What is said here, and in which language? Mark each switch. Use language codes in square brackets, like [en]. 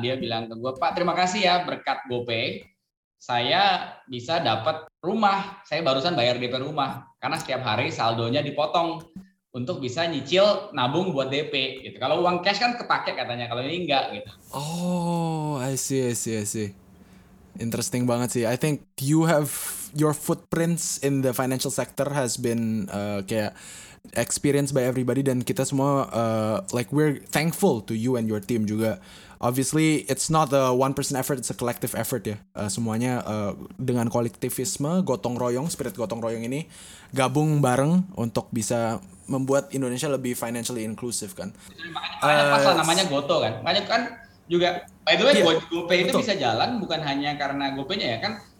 [id] Dia bilang ke gue, Pak terima kasih ya berkat GoPay, saya bisa dapat rumah. Saya barusan bayar DP rumah, karena setiap hari saldonya dipotong untuk bisa nyicil nabung buat DP gitu. Kalau uang cash kan kepake katanya, kalau ini enggak gitu. [en] Oh, I see. Interesting [id] banget sih. [en] I think you have your footprints in the financial sector has been [id] kayak [en] experienced by everybody, [id] dan kita semua [en] like we're thankful to you and your team [id] juga. [en] Obviously, it's not a one person effort, it's a collective effort [id] ya. Semuanya dengan kolektivisme, gotong royong, spirit gotong royong ini gabung bareng untuk bisa membuat Indonesia lebih [en] financially inclusive [id] kan. Makanya pasal namanya GoTo kan. Makanya kan juga [en] by the way, yeah, [id] GoPay itu bisa jalan bukan hanya karena GoPay-nya ya kan.